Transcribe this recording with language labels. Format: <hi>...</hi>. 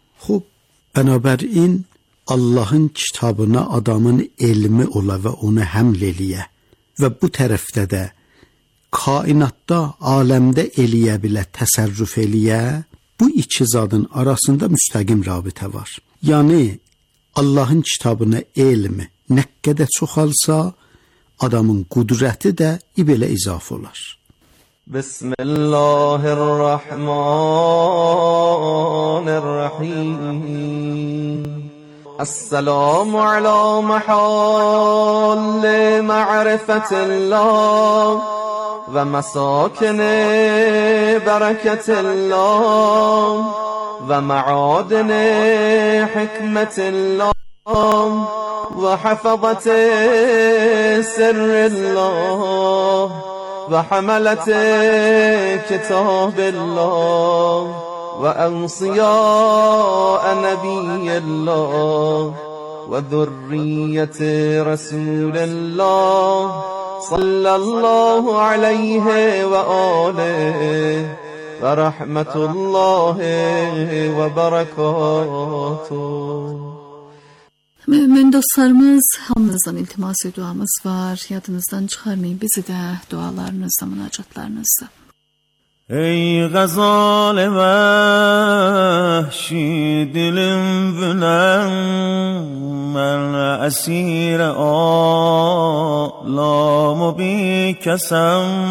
<az>Xub, bənabərin Allahın kitabına adamın elmi ola və onu həml eləyə və bu tərəfdə də kainatda, aləmdə eləyə bilə, təsərrüf eləyə, bu iki zadın arasında müstəqim rabitə var. Yəni, Allahın kitabına elmi nə qədər çoxalsa, adamın qudrəti də ibelə izaf olar.</az> <ar>بسم الله الرحمن الرحيم السلام على محل معرفة الله ومساكن بركة الله ومعادن حكمة الله وحفظة سر الله وحملة كتاب الله وأوصياء نبي الله وذرية رسول الله صلى الله عليه وآله ورحمة الله وبركاته</ar> <az>Mümin dostlarımız, hamınızdan iltimas duamız var. Yadınızdan çıxarmayın bizi də dualarınızda, münacatlarınızda. Ey qəzal vəhşi dilim bülən, mən əsir alamı bir kəsəm.</az>